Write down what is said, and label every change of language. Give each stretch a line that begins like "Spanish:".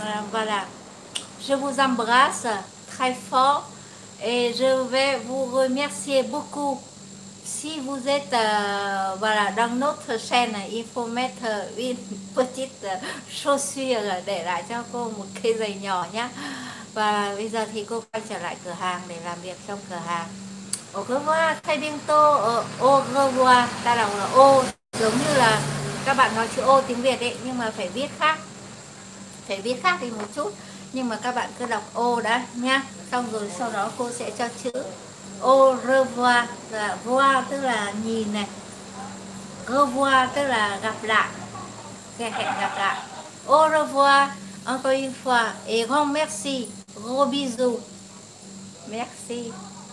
Vietnamese: Và là
French: je vous embrasse très fort et je vais vous remercier beaucoup si vous êtes voilà dans notre chaîne, il faut mettre une petite chaussure,
Vietnamese: để lại cho cô một cái giày nhỏ nhé. Và bây giờ thì cô quay trở lại cửa hàng để làm việc trong cửa hàng.
French: Au revoir, très bientôt, au revoir.
Vietnamese: Ta đọc là ô, giống như là các bạn nói chữ ô tiếng Việt ấy, nhưng mà phải viết khác. Phải viết khác đi một chút, nhưng mà các bạn cứ đọc ô đã nha. Xong rồi sau đó cô sẽ cho chữ au revoir, là voir tức là nhìn này. Revoir tức là gặp lại, hẹn gặp lại.
French: Au revoir, encore une fois, et grand merci, gros bisous. Merci.